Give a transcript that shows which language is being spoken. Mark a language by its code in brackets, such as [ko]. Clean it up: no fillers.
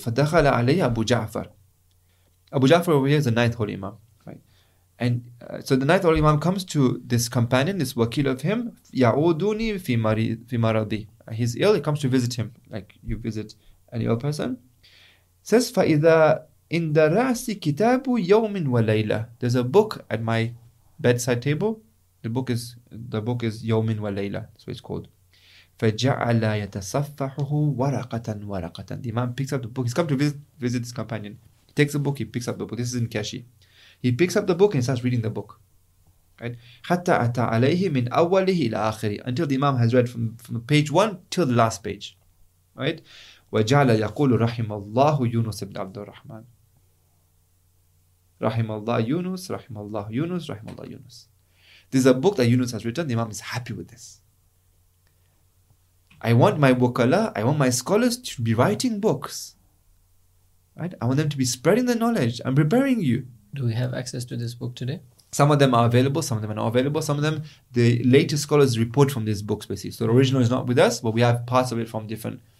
[ar] فَدَخَلَ عَلَيَّ أَبُو جَعْفَر. [en] Abu Ja'far over here is the ninth holy imam. And so the ninth holy imam comes to this companion, this wakil of him, Ya'uduni fi maradi. He's ill, he comes to visit him, like you visit an ill person. Says, [ar] فَإِذَا إِنْدَ رَأْسِ كِتَابُ يَوْمٍ وَلَيْلَةٍ. [en] There's a book at my bedside table. The book is يَوْمٍ وَلَيْلَةٍ. That's what it's called. [ar] فَجَعَلَ يَتَصَفَّحُهُ وَرَقَةً وَرَقَةً. [en] The imam picks up the book. He's come to visit his companion. He takes the book, he picks up the book. This is in Kashi. He picks up the book and starts reading the book. [ar] حتى أتى عليه من أوله إلى آخره. [en] Until the imam has read from page one till the last page. Right? [ar] وجعل يقول رحم الله يونس بن عبد الرحمن. رحم الله يونس, رحم الله يونس, رحم الله يونس. [en] This is a book that Yunus has written. The imam is happy with this. I want my scholars to be writing books. Right? I want them to be spreading the knowledge. I'm preparing you. Do we have access to this book today? Some of them are available, some of them are not available. Some of them, the latest scholars report from these books, basically. So the original is not with us, but we have parts of it from different